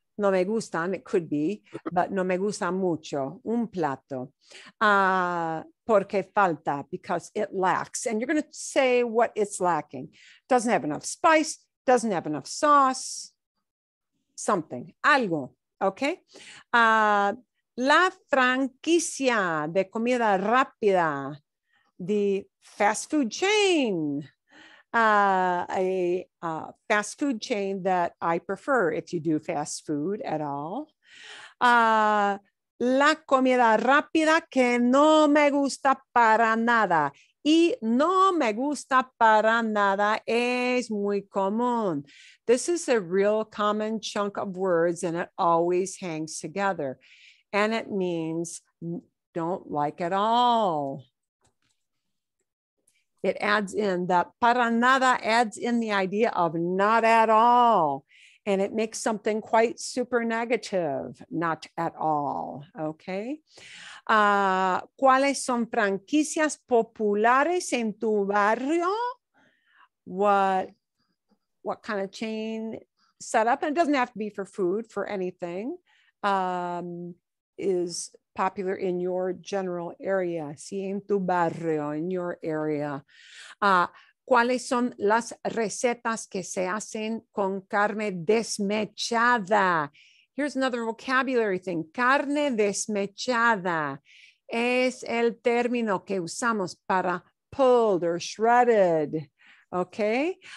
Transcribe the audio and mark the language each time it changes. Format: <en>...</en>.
<en>No me gustan, it could be, but no me gusta mucho, un plato, porque falta, because it lacks, and you're going to say what it's lacking, doesn't have enough spice, doesn't have enough sauce, something, algo, okay?</en> <es>La franquicia de comida rápida, the fast food chain.</es> <en>A fast food chain that I prefer if you do fast food at all.</en> <es>La comida rápida que no me gusta para nada. y no me gusta para nada es muy común.</es> <en>This is a real common chunk of words and it always hangs together. And it means don't like at all. It adds in that para nada adds in the idea of not at all. And it makes something quite super negative, not at all, okay?</en> <es>¿Cuáles son franquicias populares en tu barrio?</es> <en>What kind of chain setup? And it doesn't have to be for food, for anything, is popular in your general area.</en> <es>Sí, en tu barrio, in your area. ¿Cuáles son las recetas que se hacen con carne desmechada?</es> <en>Here's another vocabulary thing. Carne desmechada es el término que usamos para pulled or shredded. Okay.</en>